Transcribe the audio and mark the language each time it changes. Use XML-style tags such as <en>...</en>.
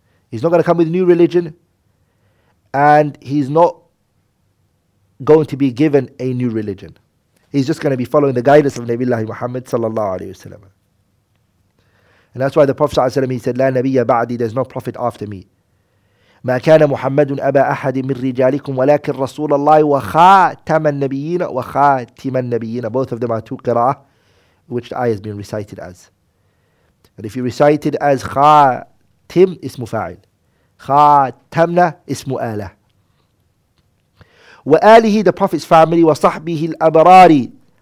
<en>He's not going to come with a new religion, and he's not going to be given a new religion. He's just going to be following the guidance of Nabiullah Muhammad sallallahu alayhi wa sallam. And that's why the Prophet sallallahu alayhi wa sallam, he said,</en> <ar>لا نبي بعدي,</ar> <en>there's no prophet after me.</en> <ar>ما كان محمد أبا أحد من رجالكم ولكن رسول الله وخاتم النبيين وخاتم النبيين.</ar> <en>Both of them are two qira'ah, which the ayah has been recited as. And if you recite it as khatim, ismu fa'il. Khatamna, ismu ala. Wa alihi, the Prophet's family, wa sahbihi al-abrari.</en>